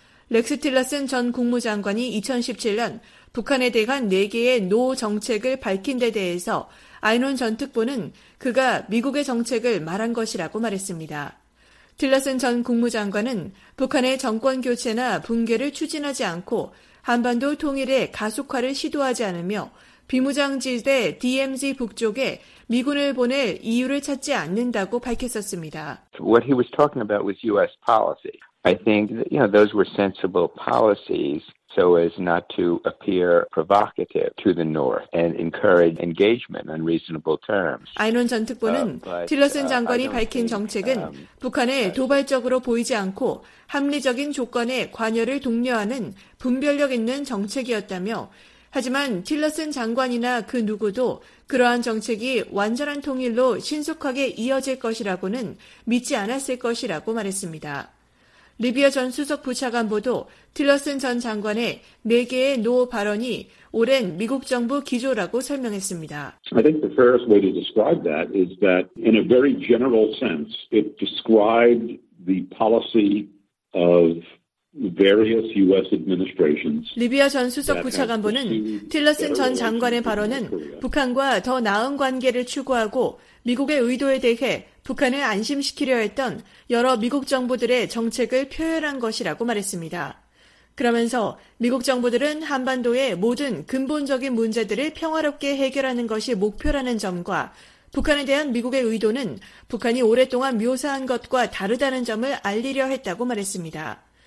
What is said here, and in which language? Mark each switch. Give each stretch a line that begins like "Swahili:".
Korean: 렉스 틸러슨 전 국무장관이 2017년 북한에 대한 4개의 노 정책을 밝힌 데 대해서 아인원 전 특보는 그가 미국의 정책을 말한 것이라고 말했습니다. 틸러슨 전 국무장관은 북한의 정권 교체나 붕괴를 추진하지 않고 한반도 통일의 가속화를 시도하지 않으며 비무장지대 DMZ 북쪽에 미군을 보낼 이유를 찾지 않는다고 밝혔었습니다.
English: What he was talking about was U.S. policy. I think you know those were sensible policies so as not to appear provocative to the North and encourage engagement on reasonable terms.
Korean: 아인원 전 특보는 틸러슨 장관이 밝힌 정책은 북한에 도발적으로 보이지 않고 합리적인 조건에 관여를 독려하는 분별력 있는 정책이었다며 하지만 틸러슨 장관이나 그 누구도 그러한 정책이 완전한 통일로 신속하게 이어질 것이라고는 믿지 않았을 것이라고 말했습니다. 리비아 전 수석 부차관보도 틸러슨 전 장관의 4개의 노 발언이 오랜 미국 정부 기조라고 설명했습니다.
English: I think the fairest way to describe that is that in a very general sense, it described the policy of various U.S. administrations.
Korean: 리비아 전 수석 부차관보는 틸러슨 전 장관의 발언은 북한과 더 나은 관계를 추구하고 미국의 의도에 대해 북한을 안심시키려 했던 여러 미국 정부들의 정책을 표현한 것이라고 말했습니다. 그러면서 미국 정부들은 한반도의 모든 근본적인 문제들을 평화롭게 해결하는 것이 목표라는 점과 북한에 대한 미국의 의도는 북한이 오랫동안 묘사한 것과 다르다는 점을 알리려 했다고 말했습니다.